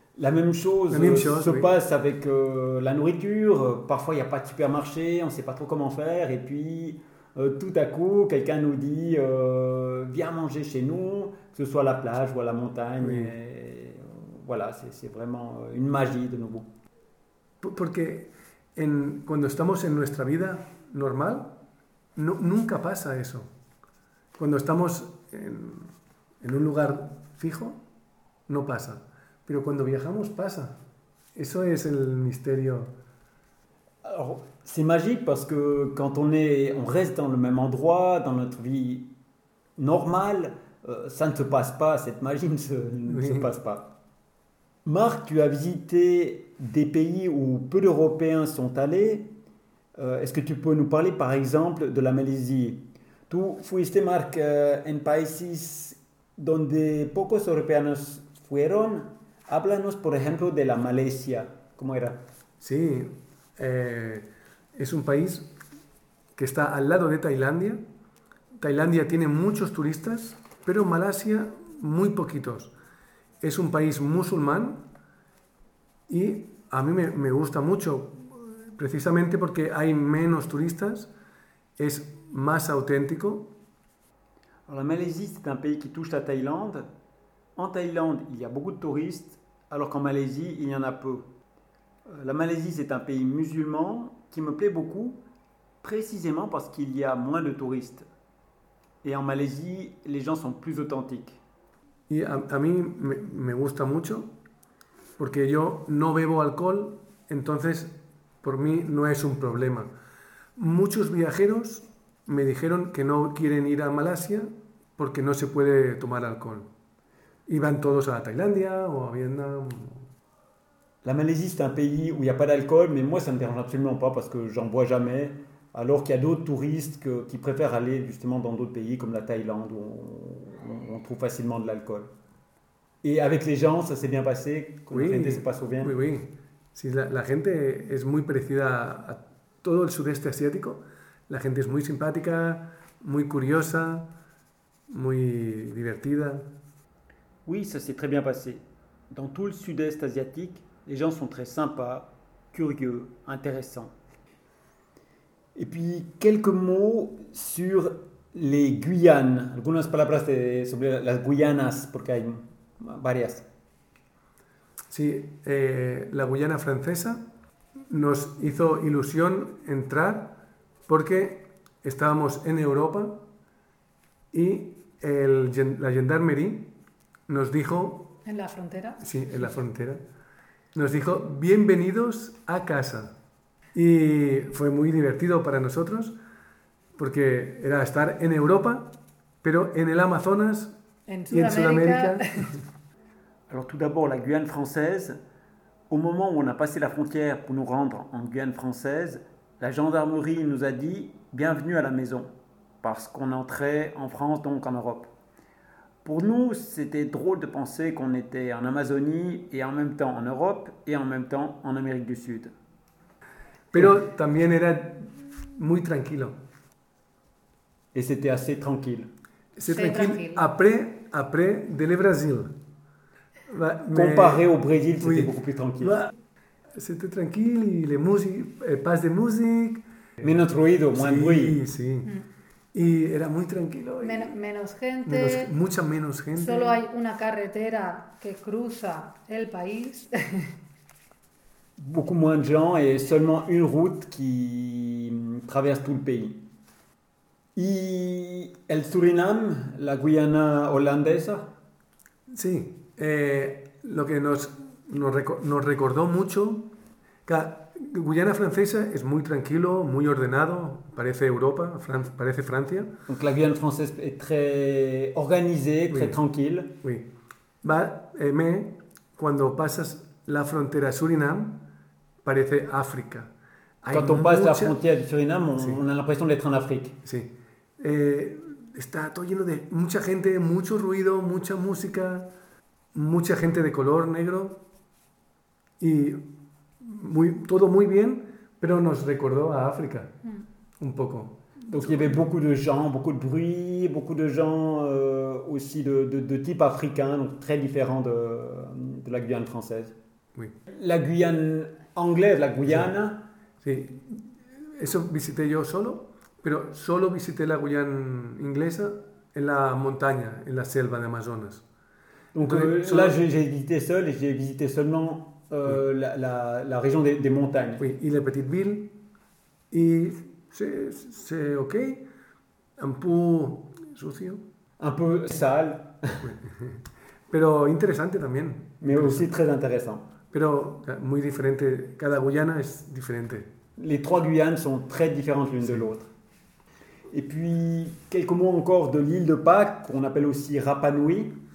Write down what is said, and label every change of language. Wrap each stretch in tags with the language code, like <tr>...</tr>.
<fr>La même chose se passe avec la nourriture. Parfois, il n'y a pas de supermarché, on ne sait pas trop comment faire. Et puis, tout à coup, quelqu'un nous dit: viens manger chez nous, que ce soit à la plage ou à la montagne. Oui. Voilà, c'est vraiment une magie de nouveau.</fr> <es>Porque cuando estamos en nuestra vida normal, no, nunca pasa eso. Cuando estamos en un lugar fijo, no pasa. Pero cuando viajamos, pasa. Eso es el misterio.</es> <fr>Alors, c'est magique parce que quand on reste dans le même endroit, dans notre vie normale, ça ne se passe pas, cette magie ne se passe pas. Marc, tu as visité des pays où peu d'Européens sont allés. Est-ce que tu peux nous parler, par exemple, de la Malaisie?</fr> <es>Tu fuiste, Marc, en países donde pocos europeos fueron. Háblanos, por ejemplo, de la Malasia. ¿Cómo era? Sí, es un país que está al lado de Tailandia. Tailandia tiene muchos turistas, pero Malasia muy poquitos. Es un país musulmán y a mí me gusta mucho, precisamente porque hay menos turistas, es más auténtico.</es> <fr>Alors, la Malaisie, c'est un pays qui touche la Thaïlande. En Thaïlande, il y a beaucoup de touristes, alors qu'en Malaisie, il y en a peu. La Malaisie, c'est un pays musulman qui me plaît beaucoup, précisément parce qu'il y a moins de touristes. Et en Malaisie, les gens sont plus authentiques.</fr> <es>Y a mí me gusta mucho porque yo no bebo alcohol, entonces por mí no es un problema. Muchos viajeros me dijeron que no quieren ir a Malasia porque no se puede tomar alcohol. Iban todos a Tailandia o a Vietnam.</es> <fr>La Malaisie</fr> <es>es un país</es> <fr>où il y a pas d'alcohol, mais moi ça me dérange absolument pas parce que j'en bois jamais, alors qu'il y a d'autres touristes qui préfèrent aller justement dans d'autres pays comme la Thaïlande où on trouve facilement de l'alcool. Et avec les gens, ça s'est bien passé? Oui,</fr> <es>la gente</es> <fr>se passe bien. Oui, oui.</fr> <es>Si la gente es muy parecida a todo el sudeste asiático. La gente es muy simpática, muy curiosa, muy divertida.</es> <fr>Oui, ça s'est très bien passé. Dans tout le sud-est asiatique, les gens sont très sympas, curieux, intéressants. Et puis, quelques mots sur les Guyanes,</fr> <es>algunas palabras sobre las Guyanas, porque hay varias. Sí, la Guyana francesa nos hizo ilusión entrar porque estábamos en Europa y la gendarmería nos dijo... ¿En la frontera? Sí, en la frontera. Nos dijo: bienvenidos a casa. Y fue muy divertido para nosotros, porque era estar en Europa, pero en el Amazonas y en Sudamérica.</es> <fr>Alors tout d'abord, la Guyane française, au moment où on a passé la frontière pour nous rendre en Guyane française, La gendarmerie nous a dit « Bienvenue à la maison » parce qu'on entrait en France, donc en Europe. Pour nous, c'était drôle de penser qu'on était en Amazonie et en même temps en Europe et en même temps en Amérique du Sud.</fr> <es>Pero también era muy tranquilo.</es> <fr>Et c'était assez tranquille. C'est tranquille. Tranquille. Après de le Brésil. Comparé au Brésil, c'était beaucoup plus tranquille. C'était tranquille, et les musiques, pas de musique.</fr> <es>Menos ruido,</es> <fr>moins de bruit.</fr> <es>Sí, sí. Y era muy tranquilo. Menos gente. Menos, mucha menos gente. Solo hay una carretera que cruza el país.</es> <fr>Beaucoup moins de gens et seulement une route qui traverse tout le pays.</fr> <es>Y el Suriname, la Guyana holandesa. Sí, lo que nos recordó mucho, Guyana francesa es muy tranquilo, muy ordenado, parece Europa, parece Francia.</es> <fr>Donc la Guyana française est très organisée, très oui. tranquille. Oui.</fr> <es>Mais cuando pasas la frontera Suriname, parece África.</es> <fr>Quand on passe la frontière du Suriname, on a l'impression d'être en Afrique.</fr> <es>Sí. Está todo lleno de mucha gente, mucho ruido, mucha música, mucha gente de color negro y muy, todo muy bien, pero nos recordó a África un poco.</es> <fr>Donc il y avait beaucoup de gens, beaucoup de bruit, beaucoup de gens aussi de type africain, donc très différent de la Guyane française. Oui. La Guyane anglaise, la Guyana.</fr> <es>Sí. Eso visité yo solo. Pero solo visité la Guyana inglesa en la montaña, en la selva de Amazonas.</es> <fr>Entonces, là, j'ai visité seul y j'ai visité seulement</fr> <es>la región de montañas.</es> <fr>Oui, y la petite ville. Y c'est ok. Un peu</fr> <es>sucio.</es> <fr>Un peu sale.</fr> <es>Pero interesante también.</es> <fr>Mais aussi très intéressant.</fr> <es>Pero muy diferente. Cada Guyana es diferente.</es> <fr>Les trois Guyanes sont très différentes l'une de l'autre. Et puis, quelques mots encore de l'île de Pâques, qu'on appelle aussi Rapa Nui.</fr>